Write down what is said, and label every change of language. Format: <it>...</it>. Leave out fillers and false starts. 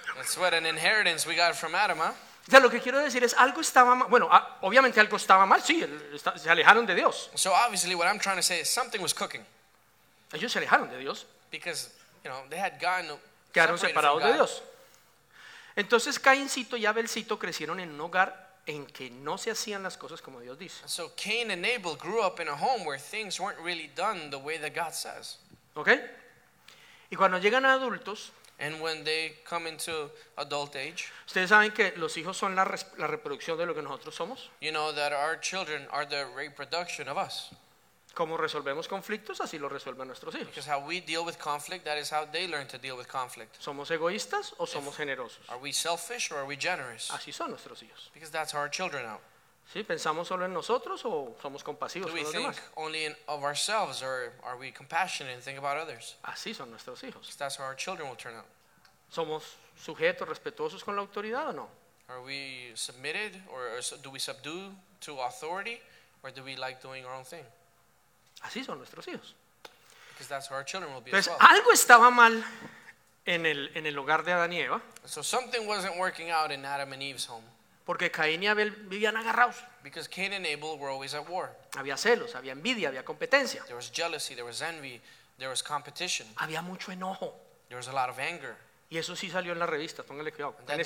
<en>That's what an inheritance we got from Adam, huh?</en> <es>O sea, lo que quiero decir es algo estaba mal. Bueno, obviamente algo estaba mal. Sí, se alejaron de Dios.</es> <en>So obviously what I'm trying to say is something was cooking.</en> <es>Ellos se alejaron de Dios.</es> <en>Because, you know, they had gone separated from God.</en> <es>Quedaron separados de Dios. Entonces Caincito y Abelcito crecieron en un hogar en que no se hacían las cosas como Dios dice.</es> <en>So Cain and Abel grew up in a home where things weren't really done the way that God says. Okay.</en> <es>Y cuando llegan a adultos.</es> <en>And when they come into adult age.</en> <es>¿Ustedes saben que los hijos son la reproducción de lo que nosotros somos?</es> <en>You know that our children are the reproduction of us.</en> <es>¿Cómo resolvemos conflictos? Así lo resuelven nuestros hijos.</es> <en>Because how we deal with conflict, that is how they learn to deal with conflict.</en> <es>¿Somos egoístas o somos generosos?</es> <en>Are we selfish or are we generous?</en> <es>Así son nuestros hijos.</es> <en>Because that's how our children are.</en> <es>¿Sí? ¿Pensamos solo en nosotros o somos compasivos con los demás?</es> <en>Do we think only of ourselves or are we compassionate and think about others?</en> <es>Así son nuestros hijos.</es> <en>Because that's how our children will turn out.</en> <es>¿Somos sujetos, respetuosos con la autoridad o no?</es> <en>Are we submitted or do we subdue to authority or do we like doing our own thing?</en> <es>Así son nuestros hijos.</es> <en>Because that's how our children will be.</en> <es>Pues</es> <en>as well.</en> <es>Algo estaba mal en el hogar de Adán y Eva.</es> <en>So something wasn't working out in Adam and Eve's home.</en> <es>Porque Caín y Abel vivían agarrados.</es> <en>Because Cain and Abel were always at war.</en> <es>Había celos, había envidia, había competencia.</es> <en>There was jealousy, there was envy, there was competition.</en> <es>Había mucho enojo.</es> <en>There was a lot of anger.</en> <es>Y eso sí salió en la revista, póngale cuidado.</es>